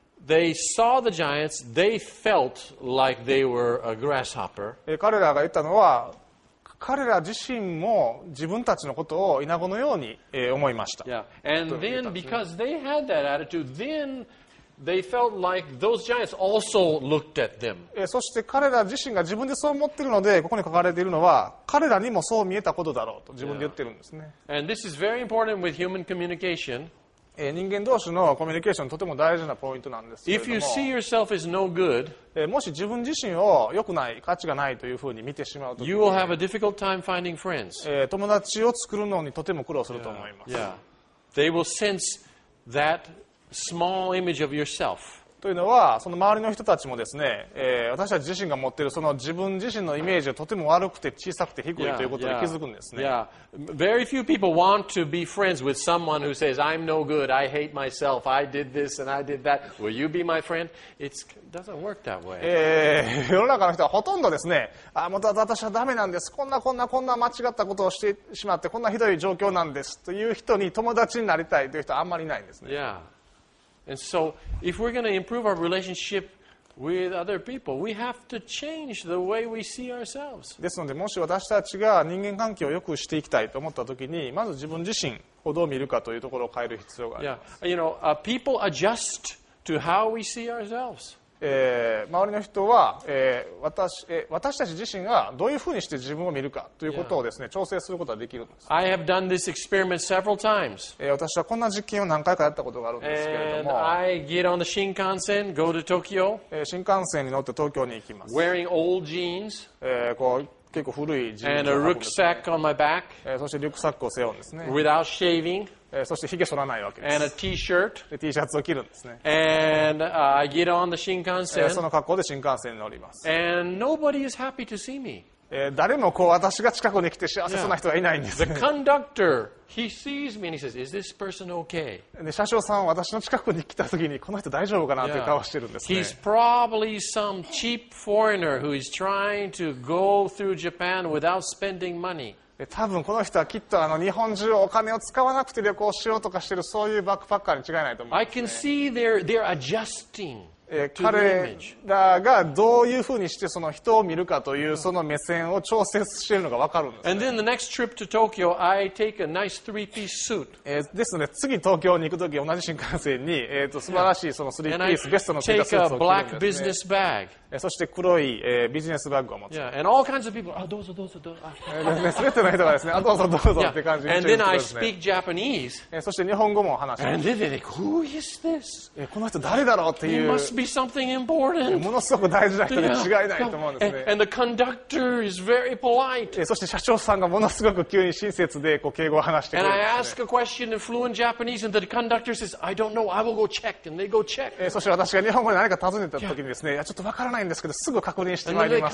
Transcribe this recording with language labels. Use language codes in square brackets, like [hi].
[en] They saw the giants, they felt like they were a grasshopper. [ja] 彼らが言ったのは、彼ら自身も自分たちのことをイナゴのように思いました。 [en] Yeah. And then because they had that attitude, then they felt like those giants also looked at them. [ja] そして彼ら自身が自分でそう思っているので、ここに書かれているのは、彼らにもそう見えたことだろうと自分で言ってるんですね。 [en] Yeah. And this is very important with human communication. [ja] 人間同士のコミュニケーションとても大事なポイントなんですけれども [en] If you see yourself as no good, [ja] もし自分自身を良くない価値がないというふうに見てしまうと [en] You will have a difficult time finding friends. [ja] 友達を作るのにとても苦労すると思います [en] yeah, yeah. They will sense that small image of yourself. [ja] というのはその周りの人たちもですね、私たち自身が持っているその自分自身のイメージがとても悪くて小さくて低い [en] yeah, [ja] ということに気づくんですね [en] yeah. Very few people want to be friends with someone who says I'm no good, I hate myself, I did this and I did that Will you be my friend? It doesn't work that way [ja] 世の中の人はほとんどですねあ、また私はダメなんですこんな間違ったことをしてしまってこんなひどい状況なんですという人に友達になりたいという人はあんまりいないんですね、 [en] yeah. And so, if we're going to improve our relationship with other people, we have to change the way we see ourselves. [ja] ですので、もし私たちが人間関係を良くしていきたいと思ったときに、まず自分自身をどう見るかというところを変える必要があります。 [en] Yeah. You know, people adjust to how we see ourselves. [ja] 周りの人は、私たち自身がどういうふうにして自分を見るかということをですね、調整することができるんです。 [en] I have done this experiment several times. [ja] 私はこんな実験を何回かやったことがあるんですけれども。 [en] And I get on the Shinkansen, go to Tokyo. [ja] 新幹線に乗って東京に行きます。 [en] Wearing old jeans. [ja] こう結構古いジーンズ。 [en] And a rucksack on my back. [ja] そしてリュックサックを背負うんですね。 [en] Without shaving. [ja] そしてヒゲ剃らないわけです。 [en] And a T-shirt. [ja] で、T シャツを着るんですね。 [en] And I get on the Shinkansen. [ja] その格好で新幹線に乗ります。 [en] And nobody is happy to see me. [ja] 誰もこう私が近くに来て幸せそうな人がいないんです。 [en] The conductor, he sees me and he says, "Is this person okay?" [ja] で、車掌さんは私の近くに来た時にこの人大丈夫かなという顔をしてるんですね。 [en] He's probably some cheap foreigner who is trying to go through Japan without spending money. [ja] 多分この人はきっとあの日本中お金を使わなくて旅行しようとかしてるそういうバックパッカーに違いないと思うんですね。 [en] I can see they're adjusting to the image. [ja] 彼らがどういうふうにしてその人を見るかというその目線を調節しているのが分かるんですね。 [en] And then the next trip to Tokyo, I take a nice three-piece suit. [ja] ですので次東京に行くとき同じ新幹線に素晴らしいそのスリーピース、ベストのスーツを着るんですね。 [en] And I take a black business bag. [ja] そして黒い、ビジネスバッグを持つ。 [en] Yeah, and all kinds of people, [ja] どうぞどうぞどうぞ。ね、全ての人がですね、どうぞどうぞって感じで。 [en] And then I speak Japanese. [ja] そして日本語も話します。 [en] And then they think, who is this? [ja] この人誰だろうっていう。 [en] He must be something important. [ja] ものすごく大事な人に違いないと思うんですね。 [en] And the conductor is very polite. [ja] そして社長さんがものすごく急に親切で、こう、敬語を話してくれる。 [en] And I ask a question in fluent Japanese, and the conductor says, I don't know, I will go check, and they go check. [ja] そして私が日本語で何か尋ねた時にですね、ちょっとわからないですけどすぐ確認してまいります